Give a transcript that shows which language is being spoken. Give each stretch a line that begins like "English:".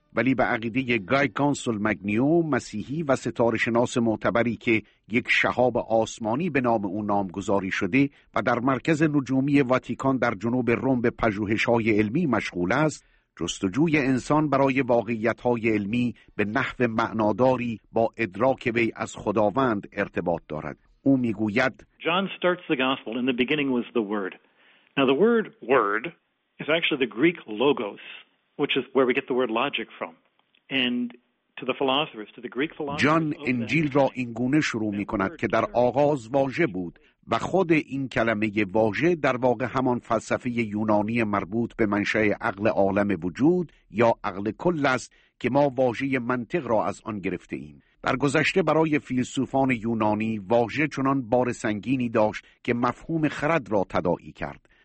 Persian: ولی به عقیده گای کانسول مگنیو، مسیحی و ستاره شناس معتبری که یک شهاب آسمانی به نام او نامگذاری شده و در مرکز نجومی واتیکان در جنوب روم به پژوهش‌های علمی مشغول است، جستجوی انسان برای واقعیت‌های علمی به نحو معناداری با ادراک وی از خداوند ارتباط دارد. او می‌گوید:
English: John starts the gospel in the beginning was the word. Now the word word is actually the Greek logos, which is where we get the word logic from. And to the philosophers, to the Greek philosophers.
Persian: جان انجیل را این گونه شروع می‌کند که در آغاز واژه بود. و خود این کلمه واژه در واقع همان فلسفه یونانی مربوط به منشأ عقل عالم وجود یا عقل کل است که ما واژه منطق را از آن گرفته ایم. در گذشته برای فیلسوفان یونانی واژه چنان بار سنگینی داشت که مفهوم خرد را تداعی کرد.